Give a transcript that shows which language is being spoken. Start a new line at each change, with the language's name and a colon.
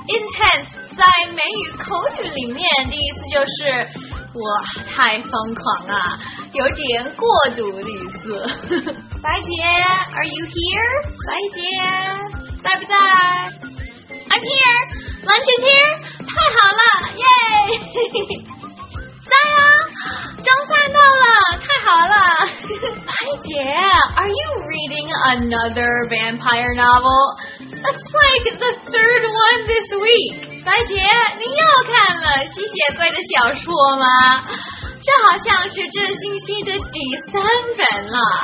Chinese: Intense 在美语口语里面的意思就是哇，太疯狂了，有点过度的意思。
English: 白姐 ,are you here?
Chinese: 白姐在不在？
English: I'm here! Lunch is here!
Chinese: 太好了，耶！在啊，中饭到了，太好了。
English: 白姐 ,are you reading another vampire novel? That's like the third one this week!
Chinese: 白洁，你又看了吸血鬼的小说吗？这好像是这星期的第三本了。